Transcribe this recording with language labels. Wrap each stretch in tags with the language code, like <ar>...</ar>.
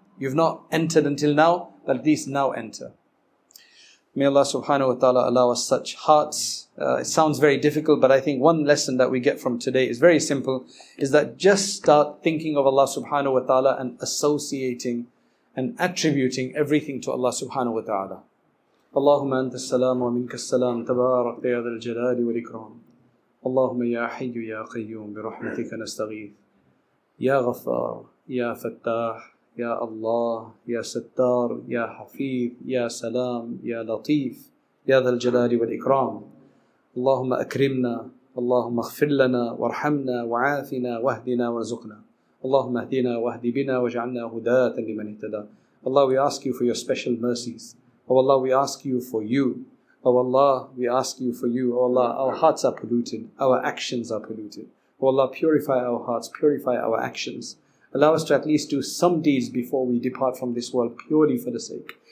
<en>You've not entered until now, but at least now enter." May Allah subhanahu wa ta'ala allow us such hearts. It sounds very difficult, but I think one lesson that we get from today is very simple, is that just start thinking of Allah subhanahu wa ta'ala and associating and attributing everything to Allah subhanahu wa ta'ala.</en> <ar>اللهم أنت السلام ومنك السلام تبارك يا ذا الجلال والإكرام اللهم يا حي يا قيوم برحمتك نستغيث يا غفار يا فتاح يا الله يا ستار يا حفيظ يا سلام يا لطيف يا ذا الجلال والإكرام اللهم أكرمنا اللهم اغفر لنا وارحمنا وعافنا واهدنا وارزقنا اللهم اهدنا واهد بنا واجعلنا هداة لمن اهتدى.</ar> <en>Allah, we ask you for your special mercies. Oh Allah, we ask you for you. Oh Allah, we ask you for you. Oh Allah, our hearts are polluted. Our actions are polluted. Oh Allah, purify our hearts, purify our actions. Allow us to at least do some deeds before we depart from this world purely for the sake.</en>